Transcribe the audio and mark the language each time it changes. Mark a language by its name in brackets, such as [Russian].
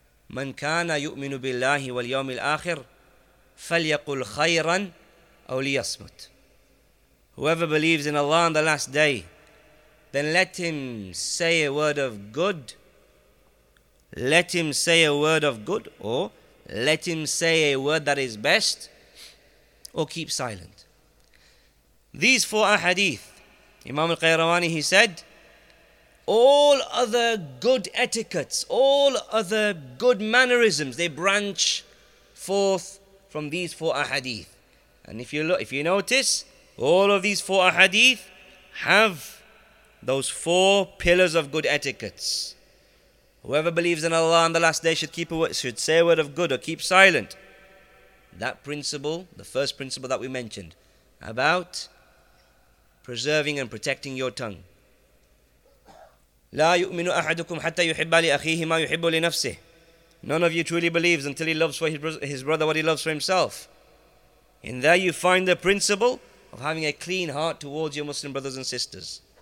[Arabic] من كان يؤمن بالله واليوم الآخر فليقل خيرا أو ليصمت. [English] Whoever believes in Allah on the last day, then let him say a word of good. Let him say a word of good, or let him say a word that is best, or keep silent. These four ahadith, Imam Al-Qayrawani, he said, all other good etiquettes, all other good mannerisms, they branch forth from these four ahadith. And if you look, if you notice, all of these four ahadith have those four pillars of good etiquettes. Whoever believes in Allah on the last day should say a word of good or keep silent. That principle, the first principle that we mentioned, about preserving and protecting your tongue. [Arabic] لا يؤمن أحدكم حتى يحب لأخيه ما يحب لنفسه. [English] None of you truly believes until he loves for his brother what he loves for himself. In there you find the principle of having a clean heart towards your Muslim brothers and sisters.